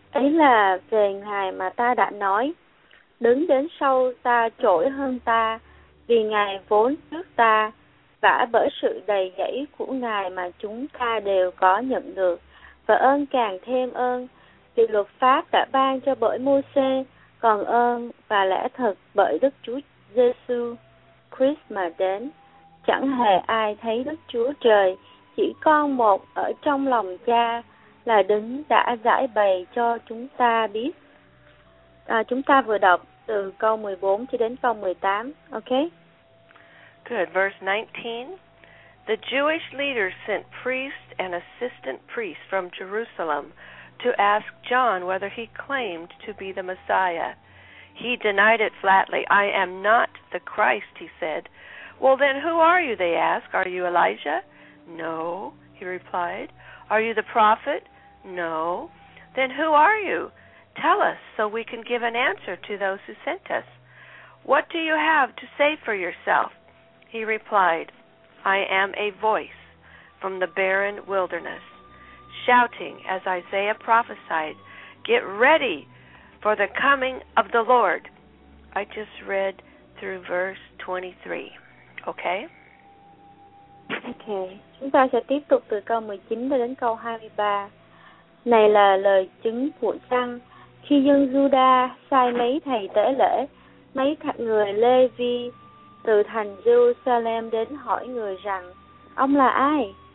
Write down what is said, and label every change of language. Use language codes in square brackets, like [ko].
[vi] là về Ngài mà ta đã nói, đứng đến sau ta trỗi hơn ta, vì Ngài vốn trước ta, vả bởi sự đầy dẫy của Ngài mà chúng ta đều có nhận được, và ơn càng thêm ơn, vì luật pháp đã ban cho bởi Môsê, còn ơn và lẽ thật bởi Đức Chúa Giêsu Christ mà đến. Chẳng hề ai thấy Đức Chúa Trời, chỉ con một ở trong lòng cha là đứng đã giải bày cho chúng ta biết. Chúng ta vừa đọc từ câu 14 cho đến câu 18, ok? [en] Good, verse 19. The Jewish leaders sent priests and assistant priests from Jerusalem to ask John whether he claimed to be the Messiah. He denied it flatly. I am not the Christ, he said. Well, then who are you, they ask. Are you Elijah? No, he replied. Are you the prophet? No. Then who are you? Tell us so we can give an answer to those who sent us. What do you have to say for yourself? He replied, I am a voice from the barren wilderness, shouting as Isaiah prophesied, get ready for the coming of the Lord. I just read through verse 23. Okay? Okay. [vi] Chúng ta sẽ tiếp tục từ câu 19 đến câu 23. Này là lời chứng của chăng. Khi dân Giuđa sai mấy thầy tế lễ, mấy người Lê Vi từ thành Jerusalem đến hỏi người rằng, ông là ai?